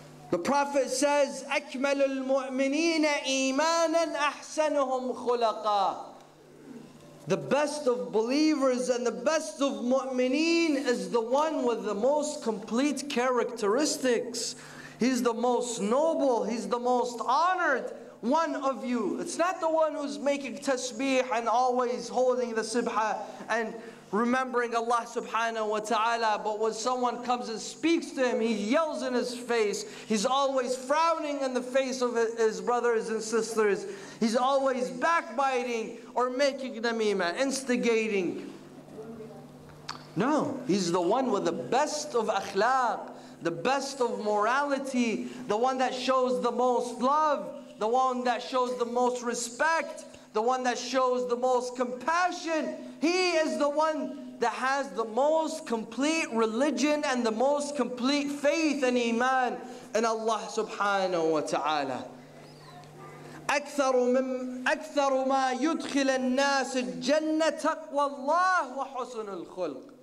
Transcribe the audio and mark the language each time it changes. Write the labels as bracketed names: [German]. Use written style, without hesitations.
[English] The Prophet says, [Arabic] أَكْمَلُ الْمُؤْمِنِينَ إِيمَانًا أَحْسَنُهُمْ خُلَقًا. [English] The best of believers and the best of mu'mineen is the one with the most complete characteristics. He's the most noble, he's the most honored one of you. It's not the one who's making tasbih and always holding the sibha and remembering Allah subhanahu wa ta'ala, but when someone comes and speaks to him, he yells in his face. He's always frowning in the face of his brothers and sisters. He's always backbiting or making namima, instigating. No, he's the one with the best of akhlaq, the best of morality, the one that shows the most love, the one that shows the most respect, the one that shows the most compassion. He is the one that has the most complete religion and the most complete faith and iman in Allah subhanahu wa ta'ala. [Arabic] أكثر ما يدخل الناس الجنة تقوى الله وحسن الخلق.